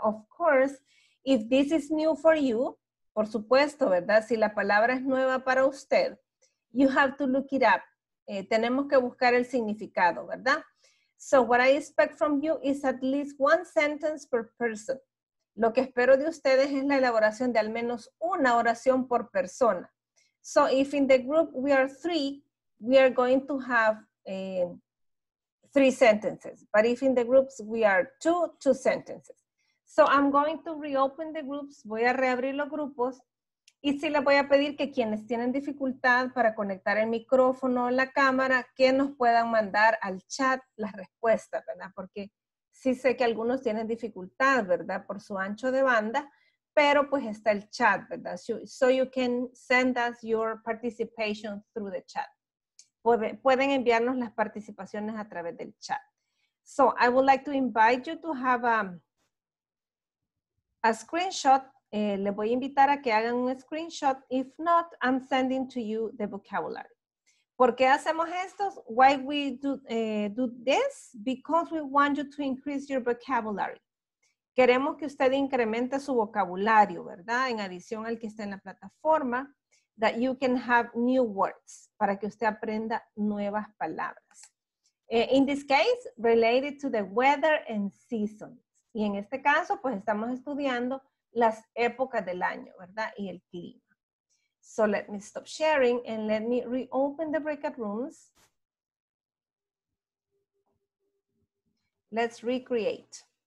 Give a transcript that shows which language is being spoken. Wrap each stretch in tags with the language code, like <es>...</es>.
<en>Of course, if this is new for you,</en> <es>por supuesto, ¿verdad? Si la palabra es nueva para usted,</es> <en>you have to look it up.</en> <es>Tenemos que buscar el significado, ¿verdad?</es> <en>So what I expect from you is at least one sentence per person.</en> <es>Lo que espero de ustedes es la elaboración de al menos una oración por persona.</es> <en>So if in the group we are three, we are going to have three sentences. But if in the groups we are two sentences. So I'm going to reopen the groups.</en> <es>Voy a reabrir los grupos. Y sí les voy a pedir que quienes tienen dificultad para conectar el micrófono o la cámara, que nos puedan mandar al chat las respuestas, ¿verdad? Porque sí sé que algunos tienen dificultad, ¿verdad? Por su ancho de banda, pero pues está el chat, ¿verdad?</es> <en>So you can send us your participation through the chat.</en> <es>Pueden enviarnos las participaciones a través del chat.</es> <en>So I would like to invite you to have a screenshot.</en> <es>Les voy a invitar a que hagan un screenshot.</es> <en>If not, I'm sending to you the vocabulary.</en> <es>¿Por qué hacemos esto?</es> <en>Why we do this? Because we want you to increase your vocabulary.</en> <es>Queremos que usted incremente su vocabulario, ¿verdad? En adición al que está en la plataforma,</es> <en>that you can have new words,</en> <es>para que usted aprenda nuevas palabras.</es> <en>In this case, related to the weather and seasons.</en> <es>Y en este caso, pues estamos estudiando las épocas del año, ¿verdad? Y el clima.</es> <en>So let me stop sharing and let me reopen the breakout rooms. Let's recreate.</en>